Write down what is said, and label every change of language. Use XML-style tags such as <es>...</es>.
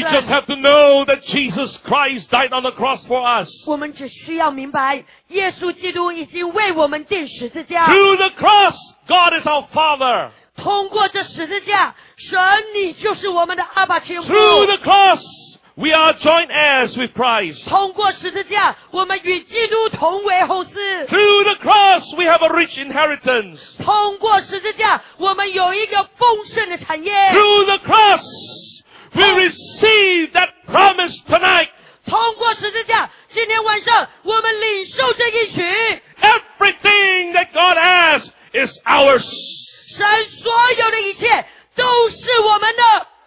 <en>We just have to know that Jesus Christ died on the cross for us.</en> <zh>我们只需要明白耶稣基督已经为我们钉十字架。</zh> <en>Through the cross, God is our Father.</en> <zh>通过这十字架,神你就是我们的阿爸天父。</zh> <en>Through the cross, we are joint heirs with Christ.</en> <zh>通过十字架,我们与基督同为后嗣。</zh> <en>Through the cross, we have a rich inheritance.</en> <zh>通过十字架,我们有一个丰盛的产业。</zh> <en>Through the cross, we receive that promise tonight.</en> <zh>通过十字架,今天晚上,我们领受这一曲。</zh> <en>Everything that God has is ours.</en> <zh>神所有的一切都是我们的。</zh>